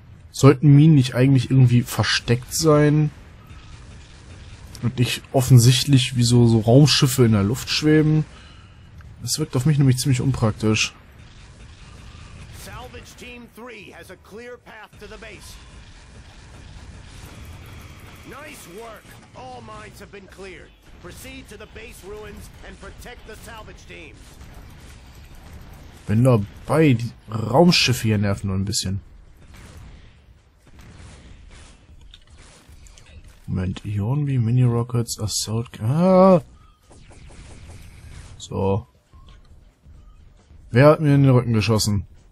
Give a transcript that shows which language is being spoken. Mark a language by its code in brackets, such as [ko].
[de] Sollten Minen nicht eigentlich irgendwie versteckt sein? Und nicht offensichtlich, wie so Raumschiffe in der Luft schweben? Das wirkt auf mich nämlich ziemlich unpraktisch. [en] Salvage Team 3 has a clear path to the base. Nice work. All mines have been cleared. Proceed to the base ruins and protect the salvage teams. [de] Bin dabei, die Raumschiffe hier nerven nur ein bisschen. Moment, Ionenbeam, Mini Rockets, Assault. So. Wer hat mir in den Rücken geschossen?